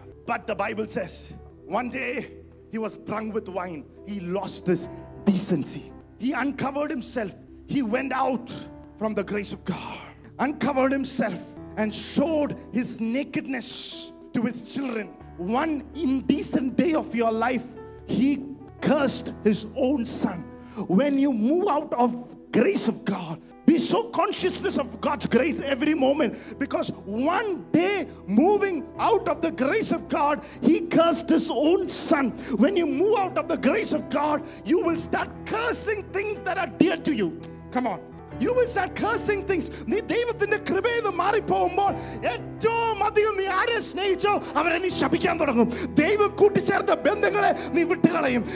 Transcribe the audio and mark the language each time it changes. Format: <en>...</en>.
<en>But the Bible says one day he was drunk with wine, he lost his decency, he uncovered himself. He went out from the grace of God, uncovered himself and showed his nakedness to his children. One indecent day of your life, he cursed his own son. When you move out of grace of God, be so consciousness of God's grace every moment, because one day moving out of the grace of God, he cursed his own son. When you move out of the grace of God, you will start cursing things that are dear to you. Come on, you will start cursing things.</en> <ml>നീ ദൈവത്തിന്റെ കൃപയെന്ന് മാറിപ്പോകുമ്പോൾ ഏറ്റവും അധികം നീ ആരെ സ്നേഹിച്ചോ അവരെ നീ ശപിക്കാൻ തുടങ്ങും. ദൈവം കൂട്ടിച്ചേർത്ത ബന്ധങ്ങളെ നീ വിട്ടുകളയും.</ml>